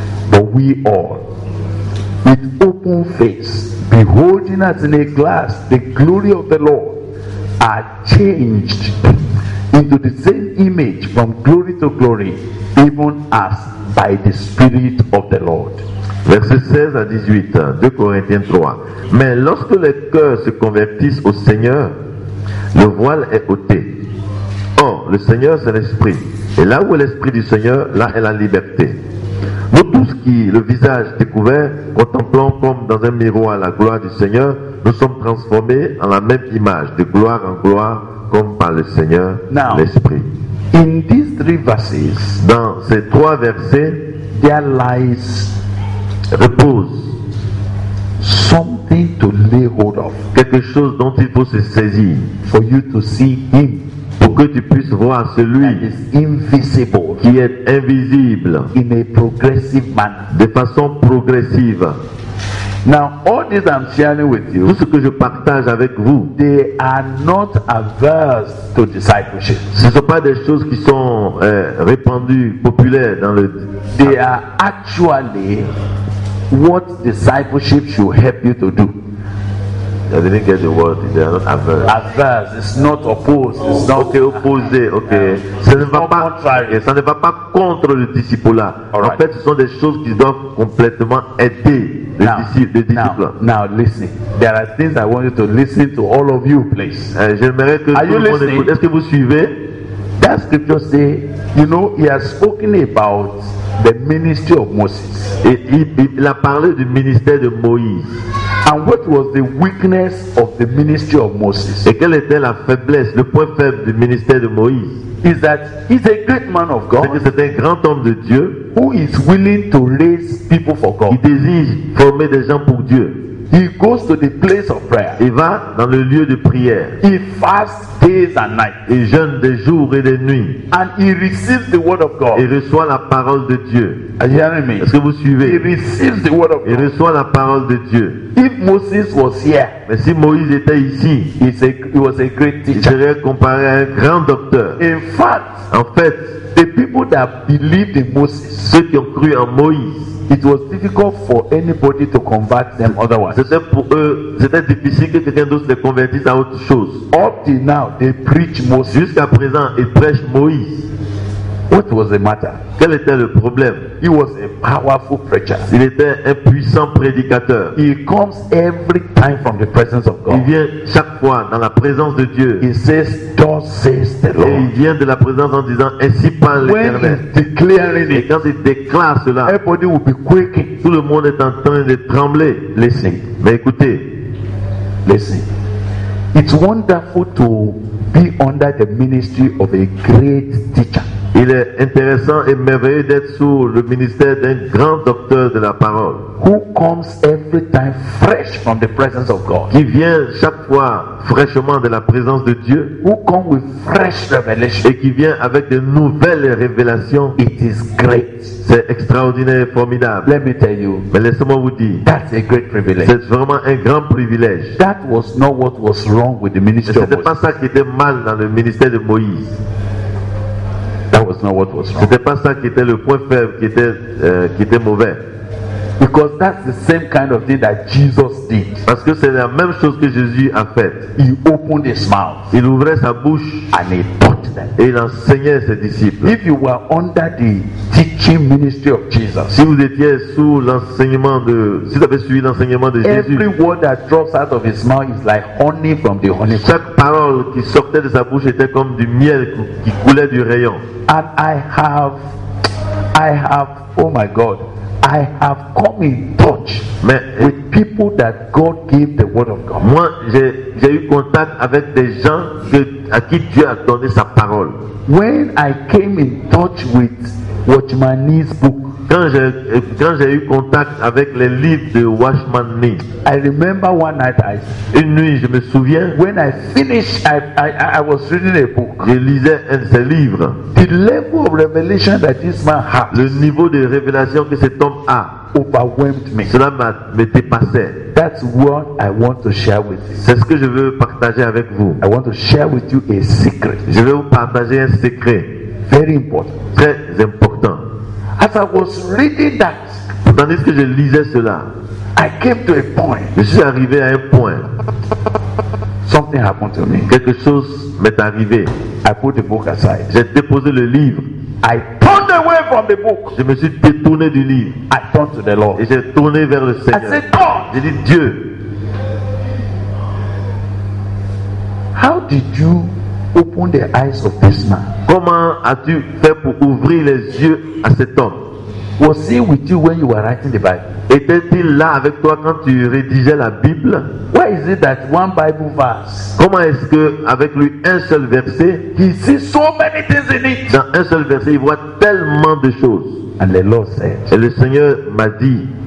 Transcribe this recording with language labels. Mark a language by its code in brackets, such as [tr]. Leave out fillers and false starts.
[en] But we all, with open face, beholding as in a glass the glory of the Lord, are changed into the same image from glory to glory, even as by the Spirit of the Lord. [fr] Verset 16 à 18, 2 Corinthiens 3. Mais lorsque les cœurs se convertissent au Seigneur, le voile est ôté. Or, le Seigneur, c'est l'Esprit. Et là où est l'Esprit du Seigneur, là est la liberté. Nous tous tous qui, le visage découvert, contemplant comme dans un miroir la gloire du Seigneur, nous sommes transformés en la même image, de gloire en gloire, comme par le Seigneur, [en] now, [fr] l'Esprit. [en] In these three verses, [fr] dans ces trois versets, [en] there lies, [fr] repose [en] something to lay hold of, [fr] quelque chose dont il faut se saisir, [en] for you to see him, [fr] pour que tu puisses voir celui [en] invisible, [fr] qui est invisible, [en] in a progressive manner, [fr] de façon progressive. [en] Now, all this I'm sharing with you, [fr] tout ce que je partage avec vous, [en] they are not averse to discipleship. [fr] Ce ne sont pas des choses qui sont répandues, populaires dans le. [en] They are actually what discipleship should help you to do. I didn't get the word. They are not averse. Averse. It's not opposed. It's not [fr] okay. Opposé. Okay. Ce ne va pas. Ça ne va pas contre le discipulat. [en] Right. [fr] En fait, ce sont des choses qui doivent complètement aider. [en] Now, listen. There are things I want you to listen to, all of you, please. [fr] J'aimerais que [en] are you listening? [fr] Écoute. Est-ce que vous suivez? [en] That scripture say, you know, he has spoken about the ministry of Moses. [fr] Il a parlé du ministère de Moïse. [en] And what was the weakness of the ministry of Moses? [fr] Et quelle était la faiblesse, le point faible du ministère de Moïse? [en] Is that he's a great man of God? [fr] C'est que c'est un grand homme de Dieu. [en] Who is willing to raise people for God? [fr] Il désire former des gens pour Dieu. [en] He goes to the place of prayer. [fr] Il va dans le lieu de prière. [en] He fasts days and nights. [fr] Il jeûne des jours et des nuits. [en] And he receives the word of God. [fr] Il reçoit la parole de Dieu. [en] Are you hearing me? [fr] Est-ce que vous suivez? [en] He receives the word of God. [fr] Il reçoit la parole de Dieu. [en] If Moses was here, [fr] mais si Moïse était ici, [en] he was a great teacher. [fr] Il serait comparé à un grand docteur. [en] In fact, [fr] en fait, [en] the people that believed in Moses, [fr] ceux qui ont cru en Moïse, [en] it was difficult for anybody to convert them otherwise. [fr] C'était pour eux, c'était difficile que quelqu'un d'autre les convertisse à autre chose. [en] Up to now, they preach Moses. [fr] Jusqu'à présent, ils prêchent Moïse. [en] What was the matter? [fr] Quel était le problème? [en] He was a powerful preacher. [fr] Il était un puissant prédicateur. [en] He comes every time from the presence of God. [fr] Il vient chaque fois dans la présence de Dieu. [en] He says, "Thus says the Lord." [fr] Et il vient de la présence en disant, ainsi parle l'Éternel. [en] When he's declaring it, [fr] quand il déclare cela, [en] everybody will be quaking. [fr] Tout le monde est en train de trembler. [en] Listen. [fr] Mais écoutez. [en] Listen. It's wonderful to be under the ministry of a great teacher. [fr] Il est intéressant et merveilleux d'être sous le ministère d'un grand docteur de la parole. [en] Who comes every time fresh from the presence of God? [fr] Qui vient chaque fois fraîchement de la présence de Dieu? [en] Who comes with fresh revelation? [fr] Et qui vient avec de nouvelles révélations? [en] It is great. [fr] C'est extraordinaire, formidable. [en] Let me tell you. [fr] Mais laissez-moi vous dire. [en] That's a great privilege. [fr] C'est vraiment un grand privilège. [en] That was not what was wrong with the ministry of Moses. [fr] C'était pas ça qui était mal dans le ministère de Moïse. [en] That was not what was wrong. [fr] C'était pas ça qui était le point faible, qui était mauvais. [en] Because that's the same kind of thing that Jesus did. [fr] Parce que c'est la même chose que Jésus a fait. [en] He opened his mouth. [fr] Il ouvrait sa bouche. [en] And he taught them. [fr] Et il enseignait ses disciples. [en] If you were under the teaching ministry of Jesus, [fr] si vous étiez sous l'enseignement de, si vous avez suivi l'enseignement de Jésus, [en] every word that drops out of his mouth is like honey from the honeycomb. [fr] Chaque parole qui sortait de sa bouche était comme du miel qui coulait du rayon. [en] And I have, oh my God. I have come in touch with people that God gave the word of God. [fr] Moi, j'ai eu contact avec des gens à qui Dieu a donné sa parole. [en] When I came in touch with Watchman Nee's book, [fr] quand j'ai eu contact avec les livres de Watchman Nee, [en] I remember one night [fr] une nuit, je me souviens, [en] when I finished, I was reading a book. [fr] Je lisais un de ses livres. [en] The level of revelation that this man has, [fr] le niveau de révélation que cet homme a, [en] overwhelmed me. [fr] Cela m'a dépassé. [en] That's what I want to share with you. [fr] C'est ce que je veux partager avec vous. [en] I want to share with you a secret. [fr] Je vais vous partager un secret. [en] Very important. [fr] Très important. [en] As I was reading that, [fr] tandis que je lisais cela, [en] I came to a point. [fr] Je suis arrivé à un point. [en] Something happened to me. [fr] Quelque chose m'est arrivé. [en] I put the book aside. [fr] J'ai déposé le livre. [en] I turned away from the book. [fr] Je me suis détourné du livre. [en] I turned to the Lord. [fr] Et j'ai tourné vers le Seigneur. [en] I said, God. [fr] J'ai dit, Dieu. [en] How did you open the eyes of this man? [fr] Comment as-tu fait pour ouvrir les yeux à cet homme? [en] Was he with you when you were writing the Bible? [fr] Était-il là avec toi quand tu rédigeais la Bible? [en] Why is it that one Bible verse? [fr] Comment est-ce que avec lui un seul verset? [en] He sees so many things in it. [fr] Dans un seul verset, il voit tellement de choses. [en] And the Lord said. [fr] Et le Seigneur m'a dit.